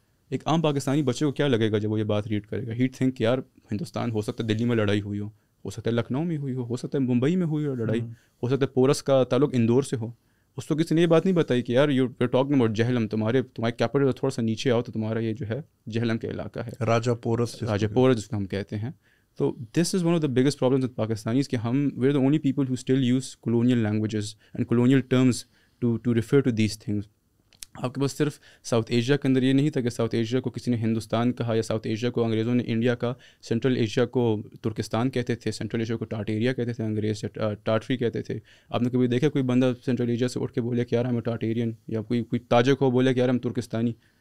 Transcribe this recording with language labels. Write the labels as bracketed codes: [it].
[ur] ایک عام پاکستانی بچے کو کیا لگے گا جب وہ یہ بات ریڈ کرے گا؟ [en] ہیڈ تھنک [ur] یار ہندوستان، ہو سکتا ہے دلی میں لڑائی ہوئی ہو، ہو سکتا ہے لکھنؤ میں ہوئی ہو، ہو سکتا ہے ممبئی میں ہوئی ہو لڑائی، ہو سکتا ہے پورس کا تعلق اندور سے ہو. اس تو کسی نے یہ بات نہیں بتائی کہ یار [en] you are talking about [ur] Jhelum, تمہارے کیپٹل تھوڑا سا نیچے آؤ تو تمہارا یہ جو ہے جہلم کا علاقہ ہے, راجا پورس جس کو ہم کہتے ہیں. [en] تو this is one of the biggest problems with Pakistanis [ur] کہ ہم [en] We are the only people who still use colonial languages and colonial terms to refer to these things. [ur] آپ کے پاس صرف ساؤتھ ایشیا کے اندر یہ نہیں تھا کہ ساؤتھ ایشیا کو کسی نے ہندوستان کہا یا ساؤتھ ایشیا کو انگریزوں نے انڈیا کا, سینٹرل ایشیا کو ترکستان کہتے تھے, سینٹرل ایشیا کو ٹارٹیریا کہتے تھے انگریز یا ٹارٹری کہتے تھے. آپ نے کبھی دیکھا کوئی بندہ سینٹرل ایشیا سے اٹھ کے بولے کہ یار ہمیں ٹارٹیرین, یا کوئی تاجک ہو بولے کہ یار ہم ترکستانی.